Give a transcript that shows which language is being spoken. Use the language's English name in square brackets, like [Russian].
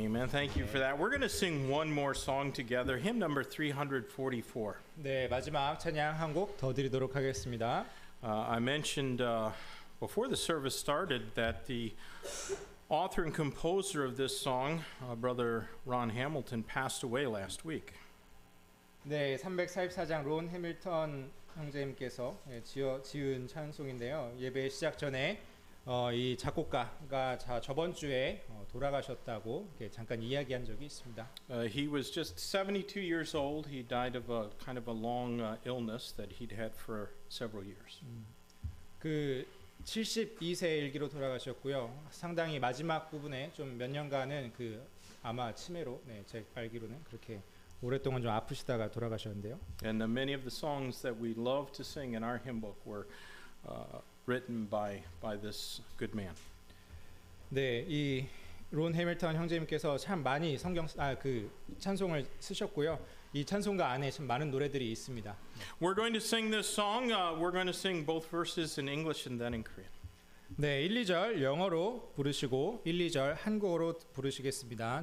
[Korean] 네, 마지막 찬양 한 곡 더 드리도록 하겠습니다. [English] I mentioned before the service started that the author and composer of this song, Brother Ron Hamilton, passed away last week. [Korean] 네, 344장 론 해밀턴 형제님께서 지은 찬송인데요. 예배 시작 전에 이 작곡가가 저번 주에 돌아가셨다고 잠깐 이야기한 적이 있습니다. [English] He was just 72 years old. He died of a kind of a long illness that he'd had for several years. [Korean] 그 72세 일기로 돌아가셨고요. 상당히 마지막 부분에 좀 몇 년간은 그 아마 치매로 네, 제 알기로는 그렇게 오랫동안 좀 아프시다가 돌아가셨는데요. [English] And many of the songs that we love to sing in our hymn book were written by this good man. [Korean] 네, 이 론 해밀턴 형제님께서 참 많이 성경 그 찬송을 쓰셨고요. 이 찬송가 안에 참 많은 노래들이 있습니다. [English] We're going to sing this song. We're going to sing both verses in English and then in Korean. [Korean] 네, 1, 2절 영어로 부르시고 1, 2절 한국어로 부르시겠습니다.